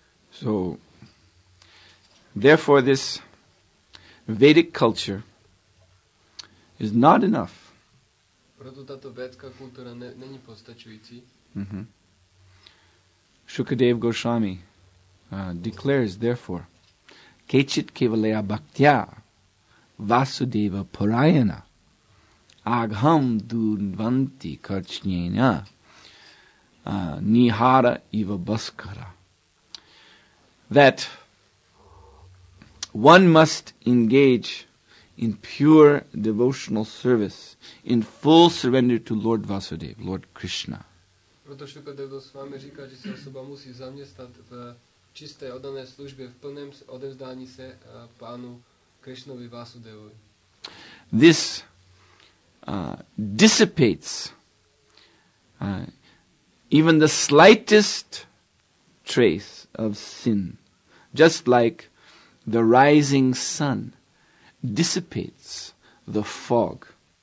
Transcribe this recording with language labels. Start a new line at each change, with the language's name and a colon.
English: So therefore this Vedic culture is not enough.
Czech: Proto tato védská kultura není postačující.
English: Shukadev Goswami declares, therefore,
Sanskrit: kechit kevalaya bhaktya vasudeva purayana agham dunvanti karchnyena nihara iva baskara,
English: that one must engage in pure devotional service, in full surrender to Lord Vasudev, Lord Krishna.
Czech: Proto Shukadev Goswami říká, že se osoba musí zaměstnat v čisté oddané službě, v plném odevzdání se pánu Krishnovi Vasudevovi.
English: This dissipates even the slightest trace of sin, just like the rising sun dissipates the fog.